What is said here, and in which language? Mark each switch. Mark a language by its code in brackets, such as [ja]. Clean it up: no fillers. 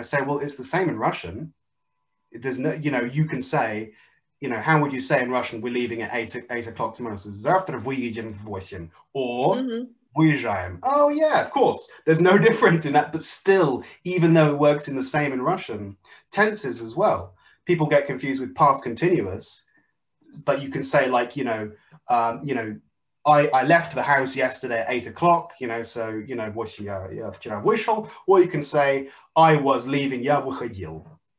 [en] I say, well, it's the same in Russian. There's no, you know, you can say, you know, how would you say in Russian, we're leaving at 8:00 tomorrow? [ru] So завтра выедем в 8, or выезжаем. [en] Oh yeah, of course. There's no difference in that, but still, even though it works in the same in Russian, tenses as well. People get confused with past continuous, but you can say, like, you know, I left the house yesterday at 8:00, you know, so, you know, [ru] вчера вышел, [en] or you can say, I was leaving, [ru] я выходил.